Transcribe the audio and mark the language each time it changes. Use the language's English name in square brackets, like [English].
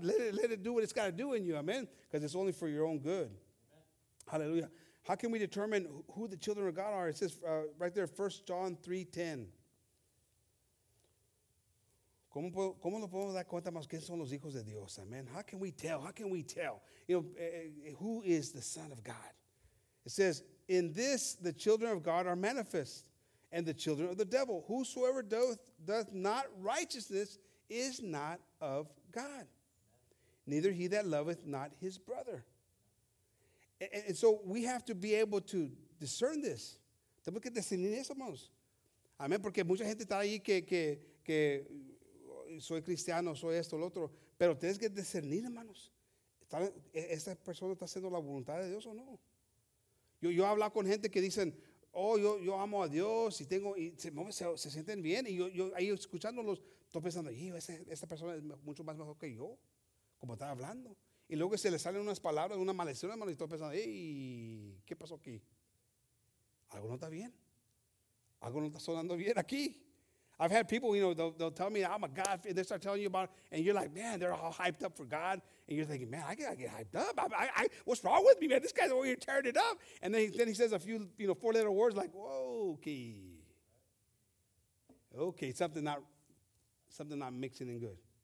[English] Let it do what it's got to do in you. Amen. Because it's only for your own good. Amen. Hallelujah. How can we determine who the children of God are? It says right there, 1 John 3:10. [Spanish] ¿Cómo nos podemos dar cuenta más quién son los hijos de Dios? [English] Amen. How can we tell? How can we tell? You know, who is the Son of God? It says, in this the children of God are manifest, and the children of the devil. Whosoever doth not righteousness is not of God, neither he that loveth not his brother. And so we have to be able to discern this. [Spanish] Tenemos que discernir eso, hermanos. Amén, porque mucha gente está ahí que soy cristiano, soy esto, lo otro. Pero tienes que discernir, hermanos. ¿Esta persona está haciendo la voluntad de Dios o no? Yo he hablado con gente que dicen, oh, yo amo a Dios y tengo, y se sienten bien. Y yo ahí escuchándolos, estoy pensando, esta persona es mucho más mejor que yo, como está hablando. Y luego se le salen unas palabras, una maldición, hermano, y todo pensando, hey, ¿qué pasó aquí? Algo no está bien. Algo no está sonando bien aquí. [English] I've had people, you know, they'll tell me, I'm a God, and they start telling you about it, and you're like, man, they're all hyped up for God. And you're thinking, man, I get hyped up. I what's wrong with me, man? This guy's over here tearing it up. And then he says a few, you know, four-letter words like, whoa, okay, something not mixing in good.